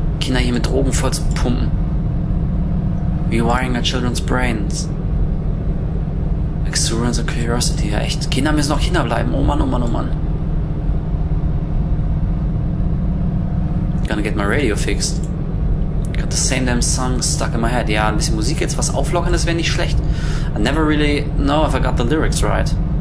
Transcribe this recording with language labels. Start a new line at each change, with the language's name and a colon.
German: Kinder hier mit Drogen voll zu pumpen.
English: Rewiring our children's brains. Exuberance and curiosity.
German: Ja, echt. Kinder müssen auch Kinder bleiben. Oh Mann, oh Mann, oh Mann.
English: Gonna get my radio fixed. Got the same damn song stuck in my head.
German: Ja, ein bisschen Musik jetzt, was auflockern ist, wäre nicht schlecht.
English: I never really know if I got the lyrics right.